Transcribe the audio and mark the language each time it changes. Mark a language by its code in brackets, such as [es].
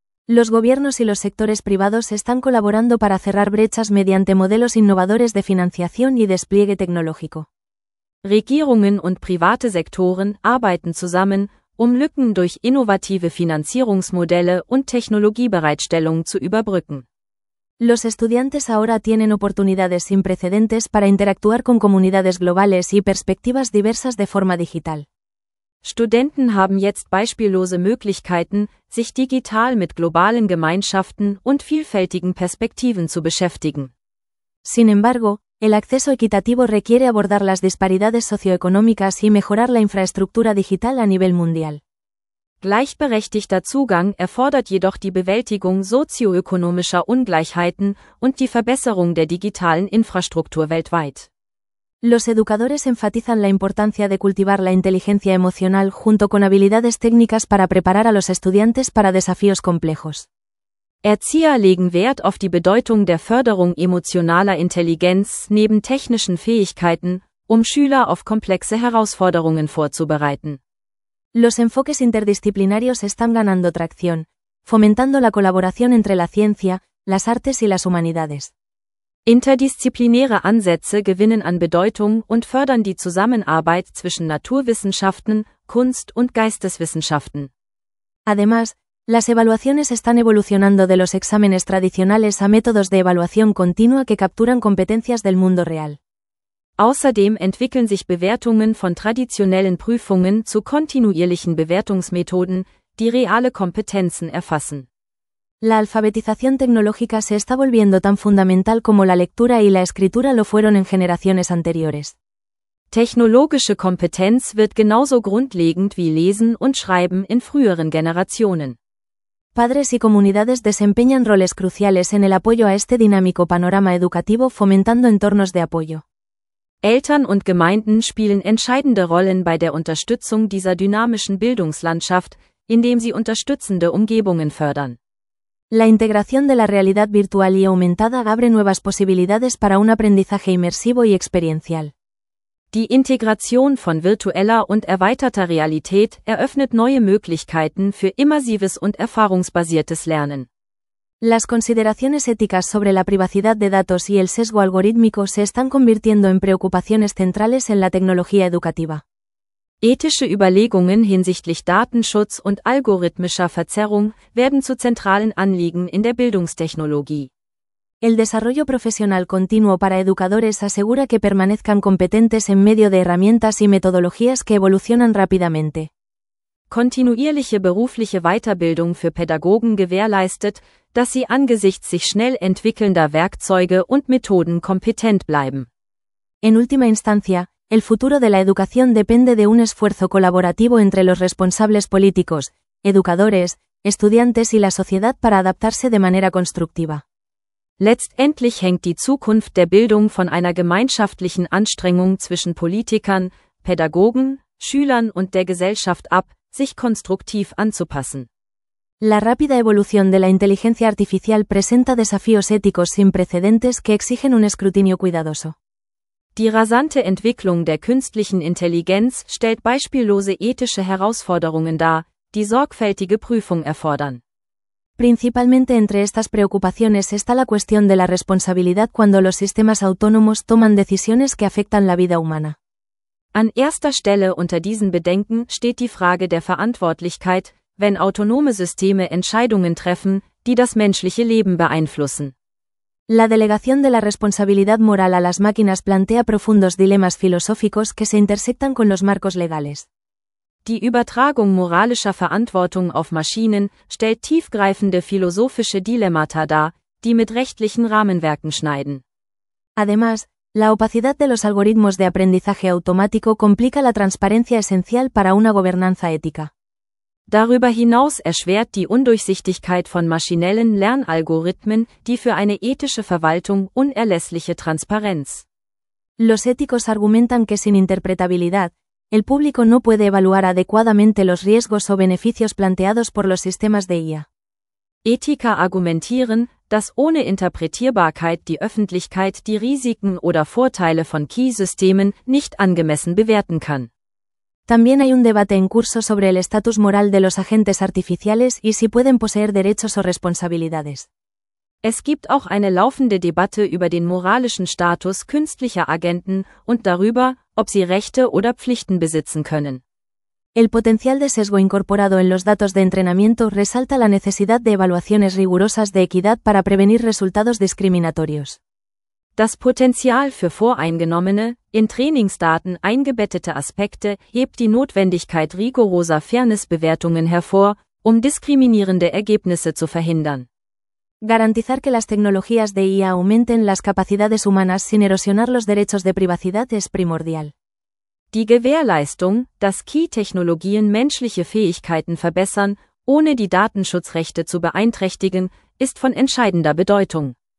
[es] Los gobiernos y los sectores privados están colaborando para cerrar brechas mediante modelos innovadores de financiación y despliegue tecnológico. [de] Regierungen und private Sektoren arbeiten zusammen, um Lücken durch innovative Finanzierungsmodelle und Technologiebereitstellung zu überbrücken. [es] Los estudiantes ahora tienen oportunidades sin precedentes para interactuar con comunidades globales y perspectivas diversas de forma digital. [de] Studenten haben jetzt beispiellose Möglichkeiten, sich digital mit globalen Gemeinschaften und vielfältigen Perspektiven zu beschäftigen. [es] Sin embargo, el acceso equitativo requiere abordar las disparidades socioeconómicas y mejorar la infraestructura digital a nivel mundial. [de] Gleichberechtigter Zugang erfordert jedoch die Bewältigung sozioökonomischer Ungleichheiten und die Verbesserung der digitalen Infrastruktur weltweit. [es] Los educadores enfatizan la importancia de cultivar la inteligencia emocional junto con habilidades técnicas para preparar a los estudiantes para desafíos complejos. [de] Erzieher legen Wert auf die Bedeutung der Förderung emotionaler Intelligenz neben technischen Fähigkeiten, um Schüler auf komplexe Herausforderungen vorzubereiten. [es] Los enfoques interdisciplinarios están ganando tracción, fomentando la colaboración entre la ciencia, las artes y las humanidades. [de] Interdisziplinäre Ansätze gewinnen an Bedeutung und fördern die Zusammenarbeit zwischen Naturwissenschaften, Kunst und Geisteswissenschaften. [es] Además, las evaluaciones están evolucionando de los exámenes tradicionales a métodos de evaluación continua que capturan competencias del mundo real. [de] Außerdem entwickeln sich Bewertungen von traditionellen Prüfungen zu kontinuierlichen Bewertungsmethoden, die reale Kompetenzen erfassen. [es] La alfabetización tecnológica se está volviendo tan fundamental como la lectura y la escritura lo fueron en generaciones anteriores. [de] Technologische Kompetenz wird genauso grundlegend wie Lesen und Schreiben in früheren Generationen. [es] Padres y comunidades desempeñan roles cruciales en el apoyo a este dinámico panorama educativo fomentando entornos de apoyo. [de] Eltern und Gemeinden spielen entscheidende Rollen bei der Unterstützung dieser dynamischen Bildungslandschaft, indem sie unterstützende Umgebungen fördern. [es] La integración de la realidad virtual y aumentada abre nuevas posibilidades para un aprendizaje inmersivo y experiencial. [de] Die Integration von virtueller und erweiterter Realität eröffnet neue Möglichkeiten für immersives und erfahrungsbasiertes Lernen. [es] Las consideraciones éticas sobre la privacidad de datos y el sesgo algorítmico se están convirtiendo en preocupaciones centrales en la tecnología educativa. [de] Ethische Überlegungen hinsichtlich Datenschutz und algorithmischer Verzerrung werden zu zentralen Anliegen in der Bildungstechnologie. [es] El desarrollo profesional continuo para educadores asegura que permanezcan competentes en medio de herramientas y metodologías que evolucionan rápidamente. [de] Kontinuierliche berufliche Weiterbildung für Pädagogen gewährleistet, dass sie angesichts sich schnell entwickelnder Werkzeuge und Methoden kompetent bleiben. [es] En última instancia, el futuro de la educación depende de un esfuerzo colaborativo entre los responsables políticos, educadores, estudiantes y la sociedad para adaptarse de manera constructiva. [de] Letztendlich hängt die Zukunft der Bildung von einer gemeinschaftlichen Anstrengung zwischen Politikern, Pädagogen, Schülern und der Gesellschaft ab, sich konstruktiv anzupassen. [es] La rápida evolución de la inteligencia artificial presenta desafíos éticos sin precedentes que exigen un escrutinio cuidadoso. [de] Die rasante Entwicklung der künstlichen Intelligenz stellt beispiellose ethische Herausforderungen dar, die sorgfältige Prüfung erfordern. [es] Principalmente entre estas preocupaciones está la cuestión de la responsabilidad cuando los sistemas autónomos toman decisiones que afectan la vida humana. [de] An erster Stelle unter diesen Bedenken steht die Frage der Verantwortlichkeit, wenn autonome Systeme Entscheidungen treffen, die das menschliche Leben beeinflussen. [es] La delegación de la responsabilidad moral a las máquinas plantea profundos dilemas filosóficos que se intersectan con los marcos legales. [de] Die Übertragung moralischer Verantwortung auf Maschinen stellt tiefgreifende philosophische Dilemmata dar, die mit rechtlichen Rahmenwerken schneiden. [es] Además, la opacidad de los algoritmos de aprendizaje automático complica la transparencia esencial para una gobernanza ética. [de] Darüber hinaus erschwert die Undurchsichtigkeit von maschinellen Lernalgorithmen die für eine ethische Verwaltung unerlässliche Transparenz. [es] Los éticos argumentan que sin interpretabilidad, el público no puede evaluar adecuadamente los riesgos o beneficios planteados por los sistemas de IA. [de] Ethiker argumentieren, dass ohne Interpretierbarkeit die Öffentlichkeit die Risiken oder Vorteile von KI-Systemen nicht angemessen bewerten kann. [es] También hay un debate en curso sobre el estatus moral de los agentes artificiales y si pueden poseer derechos o responsabilidades. [de] Es gibt auch eine laufende Debatte über den moralischen Status künstlicher Agenten und darüber, ob sie Rechte oder Pflichten besitzen können. [es] El potencial de sesgo incorporado en los datos de entrenamiento resalta la necesidad de evaluaciones rigurosas de equidad para prevenir resultados discriminatorios. [de] Das Potenzial für voreingenommene, in Trainingsdaten eingebettete Aspekte hebt die Notwendigkeit rigoroser Fairness-Bewertungen hervor, um diskriminierende Ergebnisse zu verhindern. [es] Garantizar que las tecnologías de IA aumenten las capacidades humanas sin erosionar los derechos de privacidad es primordial. [de] Die Gewährleistung, dass KI-Technologien menschliche Fähigkeiten verbessern, ohne die Datenschutzrechte zu beeinträchtigen, ist von entscheidender Bedeutung.